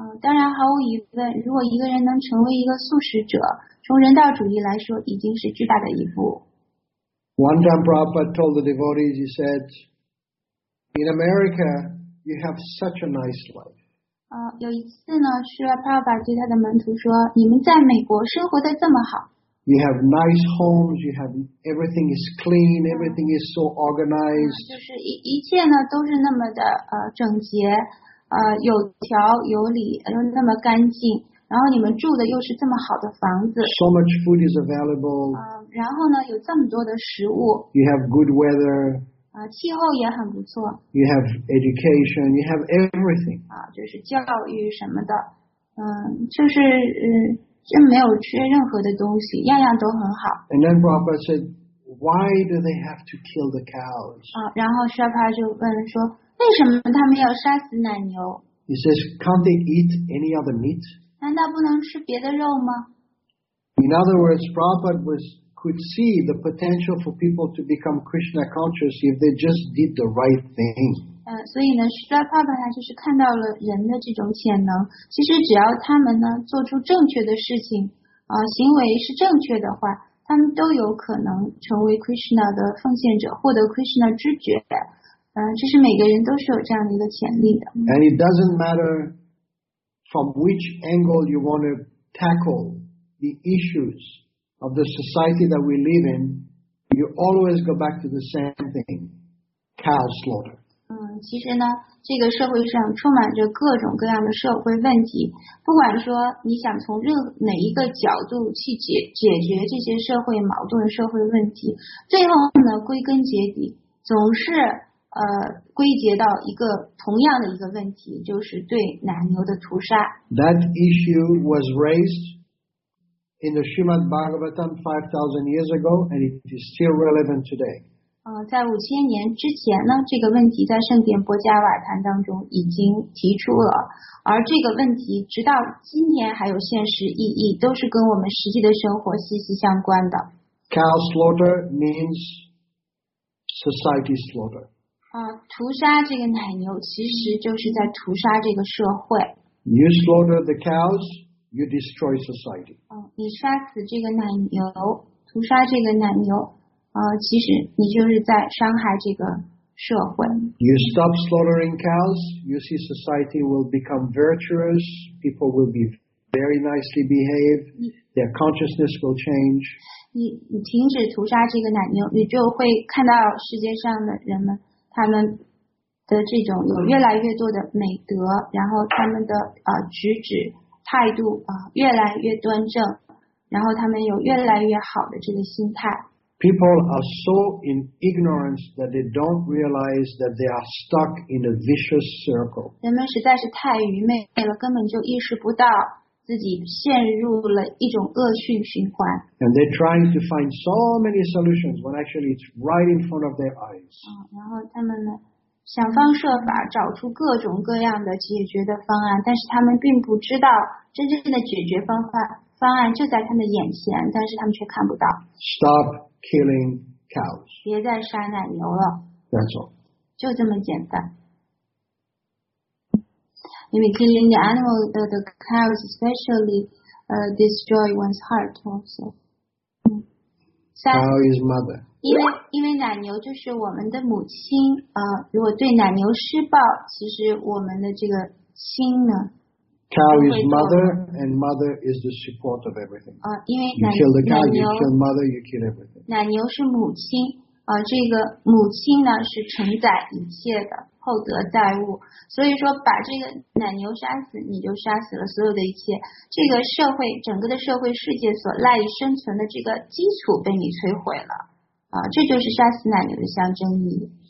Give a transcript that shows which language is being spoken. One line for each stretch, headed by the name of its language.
Chinese: 当然毫无疑问，如果一个人能成为一个素食者，从人道主义来说已经是巨大的一步。
English: One time Prabhupada told the devotees, he said, in America, you have such a nice life.
Chinese: 有一次呢，是 Prabhupada 对他的门徒说，你们在美国生活得这么好。
English: You have nice homes, you have everything is clean, everything is so organized.
Chinese: 就是一切呢都是那么的整洁。有条有理，又那么干净，然后你们住的又是这么好的房子。
English: So much food is available.
Chinese: 然后呢，有这么多的食物。
English: You have good weather.
Chinese: 气候也很不错。
English: You have education. You have everything.
Chinese: 就是教育什么的，就没有缺任何的东西，样样都很好。
English: And then Prabhupada said, "Why do they have to kill the cows?"
Chinese: 然后沙帕就问说。为什么他们要杀死奶牛？
English: He says, can't they eat any other meat?
Chinese: 难道不能吃别的肉吗？
English: In other words, Prabhupada could see the potential for people to become Krishna conscious if they just did the right thing.
Chinese: 所以呢，释迦帕帕他就是看到了人的这种潜能。其实只要他们呢做出正确的事情，行为是正确的话，他们都有可能成为 Krishna 的奉献者，获得 Krishna 知觉。这是每个人都是有这样的一个潜力的。
English: And it doesn't matter from which angle you want to tackle the issues of the society that we live in, you always go back to the same thing, cow slaughter.
Chinese: 其实呢，这个社会上充满着各种各样的社会问题，不管说你想从哪一个角度去解决这些社会矛盾、社会问题，最后呢，归根结底总是。归结到一个同样的一个问题，就是对奶牛的屠杀。
English: That issue was raised in the Srimad Bhagavatam 5,000 years ago, and it is still relevant today.
Chinese: 在五千年之前呢，这个问题在圣殿波加瓦坛当中已经提出了，而这个问题直到今天还有现实意义，都是跟我们实际的生活息息相关的。
English: Cow slaughter means society slaughter.
Chinese: 屠杀这个奶牛其实就是在屠杀这个社会。
English: You slaughter the cows, you destroy society.
Chinese: 你杀死这个奶牛，屠杀这个奶牛，其实你就是在伤害这个社会。
English: You stop slaughtering cows, you see society will become virtuous, people will be very nicely behaved, their consciousness will change.
Chinese: 你停止屠杀这个奶牛，你就会看到世界上的人们。他们的这种有越来越多的美德，然后他们的举止态度越来越端正，然后他们有越来越好的这个心态。
English: People are so in ignorance that they don't realize that they are stuck in a vicious circle.
Chinese: 人们实在是太愚昧了，根本就意识不到自己陷入了一种恶性循环。
English: And they're trying to find so many solutions when actually it's right in front of their eyes.
Chinese: 然后他们呢，想方设法找出各种各样的解决的方案，但是他们并不知道真正的解决方案就在他们眼前，但是他们却看不到。
English: Stop killing cows.
Chinese: 别再杀奶牛了。
English: That's all.
Chinese: 就这么简单。因为
English: killing the animal, the cows especially, destroy one's heart also. Cow is mother.
Chinese: 因为奶牛就是我们的母亲，如果对奶牛施暴，其实我们的这个心呢。
English: Cow is mother, and mother is the support of everything.
Chinese: 因为奶牛。
English: You kill the cow, you kill mother, you kill everything.
Chinese: 奶牛是母亲，这个母亲呢是承载一切的。后得载物，所以说把这个奶牛杀死，你就杀死了所有的一切。这个社会，整个的社会世界所赖以生存的这个基础被你摧毁了，这就是杀死奶牛的象征意义。